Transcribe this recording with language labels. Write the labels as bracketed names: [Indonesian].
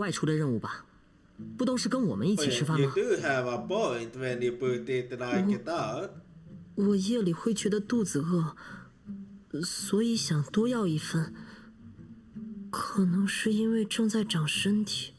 [Chinese] 干粮、清水，等等，你要这些做什么？你最近没有外出的任务吧？不都是跟我们一起吃饭吗？ [English] You do have a point when you put it like that. [Chinese] 我夜里会觉得肚子饿，所以想多要一份。可能是因为正在长身体。